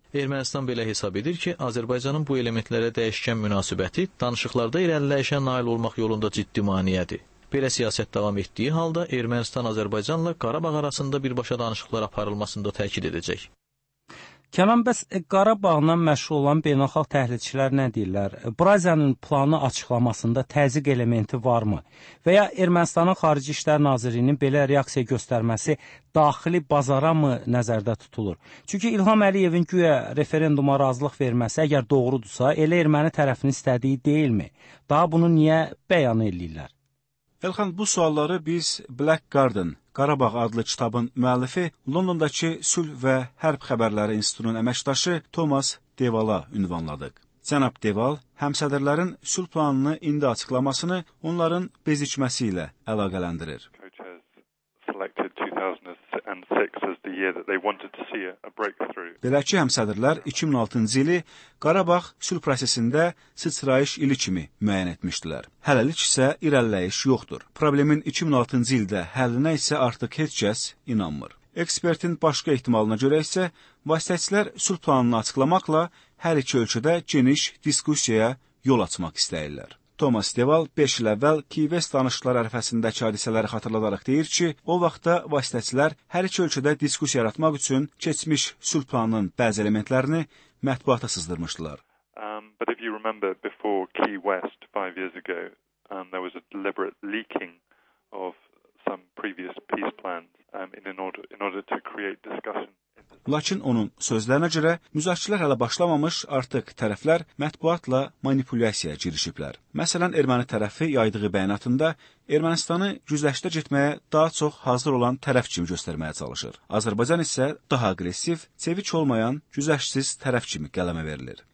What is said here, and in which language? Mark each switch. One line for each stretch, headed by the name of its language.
Azerbaijani: Ermənistan belə hesab edir ki, Azərbaycanın bu elementlərə dəyişkən münasibəti danışıqlarda irəliləyişə nail olmaq yolunda ciddi maneədir. Belə siyasət davam etdiyi halda Ermənistan-Azərbaycanla Qarabağ arasında birbaşa danışıqlar aparılmasında təkid edəcək. Kənan, bəs Qarabağla məşğul olan beynəlxalq təhlilçilər nə deyirlər? Braza'nın planı açıqlamasında təzyiq elementi varmı? Və ya Ermənistanın Xarici İşlər Nazirliyinin belə reaksiya göstərməsi daxili bazara mı nəzərdə tutulur? Çünki İlham Əliyevin güya referenduma razılıq verməsi əgər doğrudursa, elə erməni tərəfinin istədiyi deyilmi? Daha bunu niyə bəyan edirlər? Elxan, bu sualları biz Black Garden, Qarabağ adlı kitabın müəllifi, Londondakı Sülh və Hərb Xəbərləri İnstitutunun əməkdaşı Thomas Deval'a ünvanladıq. Cənab Deval, həmsədərlərin sülh planını indi açıqlamasını onların bezikməsi ilə əlaqələndirir.
English: 2006 as the year that they wanted to see a breakthrough.
Azerbaijani: Belə ki, həmsədrlər 2006-cı ili Qarabağ sülh prosesində sıçrayış ili kimi müəyyən etmişdilər. Hələlik isə irəliləyiş yoxdur. Problemin 2006-cı ildə həllinə isə artıq heç kəs inanmır. Ekspertin başqa ehtimalına görə isə vasitəçilər sülh planını açıqlamaqla hər iki ölkədə geniş diskussiyaya yol açmaq istəyirlər. Thomas Deval 5 il əvvəl Kiyves danışıqlar ərəfəsindəki hadisələri xatırladaraq deyir ki, o vaxtda vasitəçilər hər iki ölkədə diskussiya yaratmaq üçün keçmiş sülh planının bəzi elementlərini mətbuata sızdırmışdılar.
English: But if you remember before Key West 5 years ago, there was a deliberate leaking of some previous peace plans in order to create discussion.
Azerbaijani: Lakin onun sözlərinə görə, müzakirələr hələ başlamamış, artıq tərəflər mətbuatla manipulyasiyaya girişiblər. Məsələn, erməni tərəfi yaydığı bəyanatında Ermənistanı güzləşdə getməyə daha çox hazır olan tərəf kimi göstərməyə çalışır. Azərbaycan isə daha agresiv, çevik olmayan, güzləşsiz tərəf kimi qələmə verilir.